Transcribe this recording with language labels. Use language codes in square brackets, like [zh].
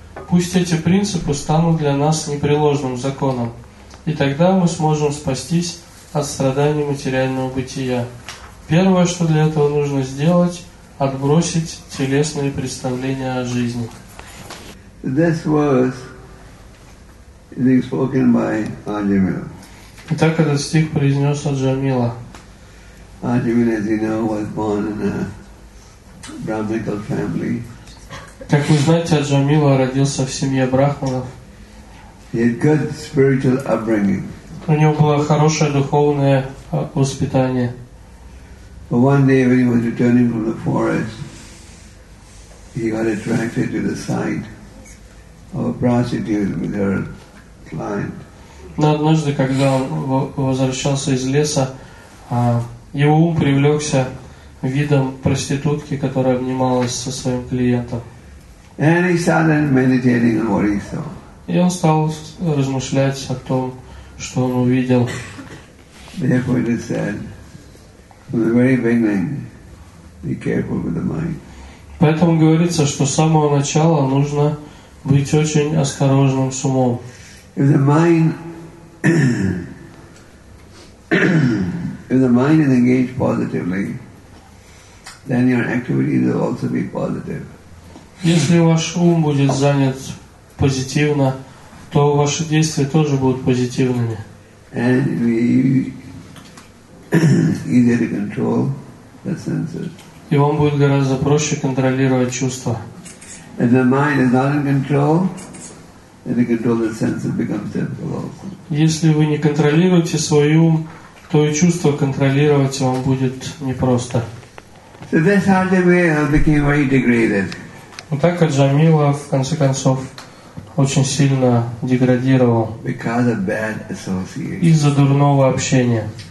[ru] Пусть эти принципы станут для нас непреложным законом, и тогда мы сможем спастись от страданий материального бытия. Первое, что для этого нужно сделать, отбросить телесные представления о жизни. [en] This was spoken by Ajamila. [ru] Итак, этот стих произнес Аджамила. [en] Ajamila, as you know, was born in a Brahmical family. [ru] Как вы знаете, Аджамила родился в семье брахманов. [en] He had good spiritual upbringing. [ru] У него было хорошее духовное воспитание. [en] But one day when he was returning from the forest, he got attracted to the sight of a prostitute with her client. [ru] Но однажды, когда он возвращался из леса, его ум привлекся видом проститутки, которая обнималась со своим клиентом. [en] And he started meditating on what he saw. [ru] И он стал размышлять о том, что он увидел. [en] Therefore it is said, from the very beginning, be careful with the mind. [ru] Поэтому говорится, что с самого начала нужно быть очень осторожным с умом. [en] If the mind is engaged positively, then your activity will also be positive. [ru] Если ваш ум будет занят позитивно, то ваши действия тоже будут позитивными. [en] And easier to control the senses. [ru] И вам будет гораздо проще контролировать чувства. [en] If the mind is not in control, then the control of the senses becomes difficult also. [ru] Если вы не контролируете свой ум, то и чувства контролировать вам будет непросто. [en] So this hard way became very degraded. [ru] Вот так Аджамила, в конце концов, очень сильно деградировал из-за дурного общения.